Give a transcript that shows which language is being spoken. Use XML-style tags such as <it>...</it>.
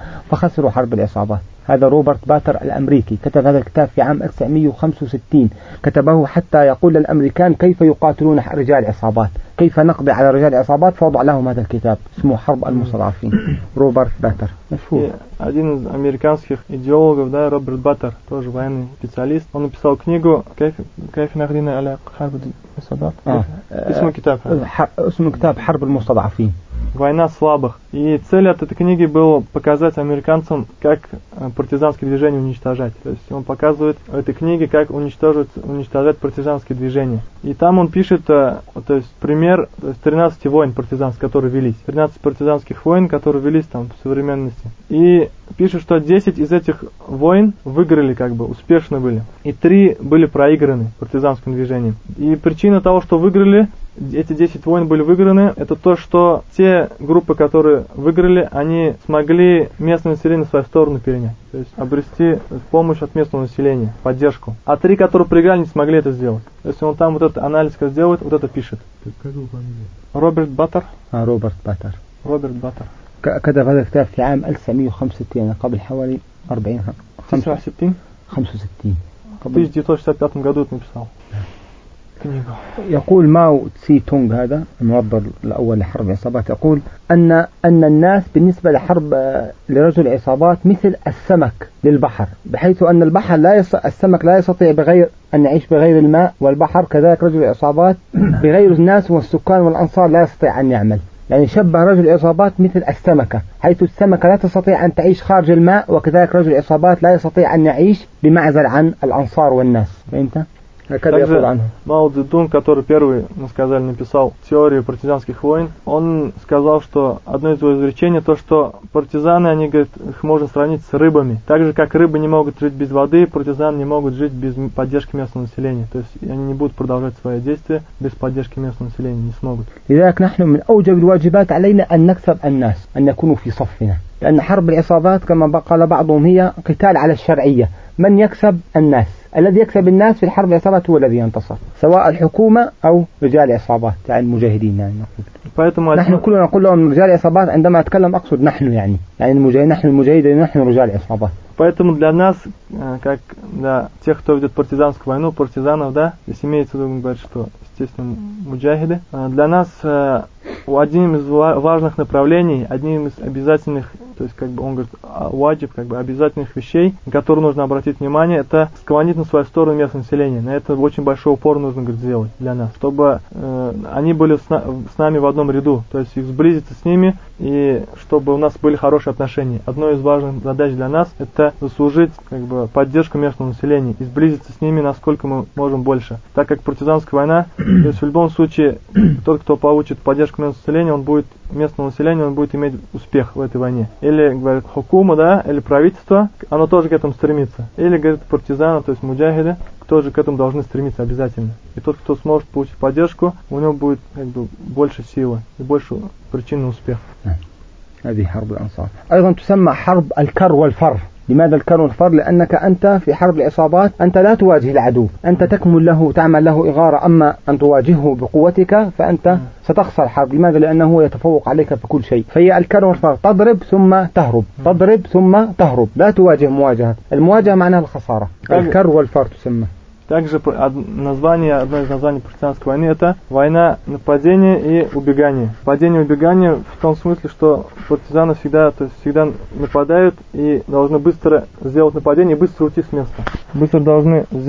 <ar>فخسروا حرب العصابات هذا روبرت باتر الأمريكي كتب هذا الكتاب في عام 1965 كتبه حتى يقول للأمريكان كيف يقاتلون رجال العصابات كيف نقضي على رجال العصابات فوضع لهم هذا الكتاب اسمه حرب المستضعفين روبرت باتر مشهور</ar> <ru>один из американских идеологов да Роберт Баттер тоже военный специалист он написал книгу</ru> <ar>كيف نقضي على حرب العصابات اسمه كتاب حرب المستضعفين</ar> <ru>Война слабых. И цель от этой книги была показать американцам, как партизанские движения уничтожать. То есть он показывает в этой книге, как уничтожать партизанские движения. И там он пишет, то есть пример, то есть 13 войн партизанских, которые велись. 13 партизанских войн, которые велись там в современности. И пишет, что 10 из этих войн выиграли, как бы, успешно были. И 3 были проиграны партизанским движением. И причина того, что выиграли, эти 10 войн были выиграны, это то, что те группы, которые выиграли, они смогли местное население в свою сторону перенять. То есть обрести помощь от местного населения, поддержку. А 3, которые проиграли, не смогли это сделать. То есть он там вот этот анализ как сделает, вот это пишет. Как его фамилия? Роберт Баттер. А, Роберт Баттер. Роберт Баттер.</ru> <ar>كتب هذا الكتاب في عام 1965 قبل حوالي 40 65 قبل 1965 يقول ماو تسي تونغ هذا المنظر الأول لحرب عصابات يقول أن الناس بالنسبة لحرب لرجل عصابات مثل السمك للبحر بحيث أن البحر السمك لا يستطيع بغير أن يعيش بغير الماء والبحر كذلك رجل عصابات بغير الناس والسكان والأنصار لا يستطيع أن يعمل يعني شبه رجل عصابات مثل السمكة حيث السمكة لا تستطيع أن تعيش خارج الماء وكذلك رجل العصابات لا يستطيع أن يعيش بمعزل عن الأنصار والناس فهمت؟ هكذا يقول عنه</ar> <ru>Mao Zedong, который первый, мы сказали, написал теорию партизанских войн, он сказал, что одно из его изречений, то, что партизаны, они, говорят, их можно сравнить с рыбами. Так же, как рыбы не могут жить без воды, партизаны не могут жить без поддержки местного населения. То есть они не будут продолжать свои действия без поддержки местного населения, не смогут. Итак,</ru> <ar>نحن من أوجب الواجبات علينا أن نكسب الناس, أن نكونوا في صفنا. لأن حرب العصابات, كما قال بعضهم, هي قتال على الشرعية. من يكسب الناس؟ الذي يكسب الناس في الحرب العصابات هو الذي ينتصر سواء الحكومة أو رجال العصابات يعني المجاهدين يعني نقول نحن كلنا نقول لهم رجال العصابات عندما أتكلم أقصد نحن يعني المجاهدين نحن المجاهدين نحن رجال العصابات</ar> <ru>Поэтому для нас, как для тех, кто ведет партизанскую войну, партизанов, да, здесь имеется в виду, что естественно, муджахиды. Для нас одним из важных направлений, одним из обязательных, то есть, как бы он говорит, ваджиб, как бы обязательных вещей, на которые нужно обратить внимание, это склонить на свою сторону местное население. На это очень большой упор нужно, говорит, сделать для нас, чтобы они были с нами в одном ряду, то есть их сблизиться с ними, и чтобы у нас были хорошие отношения. Одной из важных задач для нас – это заслужить, как бы, поддержку местного населения и сблизиться с ними, насколько мы можем больше. Так как партизанская война, то есть в любом случае, тот, кто получит поддержку местного населения, он будет, местного населения, он будет иметь успех в этой войне. Или, говорит, хукума, да, или правительство, оно тоже к этому стремится. Или, говорит, партизаны, то есть муджахиды, тоже к этому должны стремиться обязательно. И тот, кто сможет получить поддержку, у него будет, как бы, больше силы и больше причин на успех.</ru> <ar>هذه حرب الأنصار. أيضا تسمى حرب الكر والفر. لماذا الكر والفر؟ لأنك أنت في حرب العصابات، أنت لا تواجه العدو، أنت تكمل له، تعمل له إغارة. أما أن تواجهه بقوتك فأنت ستخسر حرب. لماذا؟ لأنه يتفوق عليك في كل شيء. فهي الكر والفر، تضرب ثم تهرب، تضرب ثم تهرب، لا تواجه مواجهة. المواجهة معناها الخسارة. الكر والفر تسمى.</ar> <ru>Также название, одно из названий партизанской войны – это война нападения и убегания. Падение и убегание в том смысле, что партизаны всегда, то есть всегда нападают и должны быстро сделать нападение и быстро уйти с места.</ru>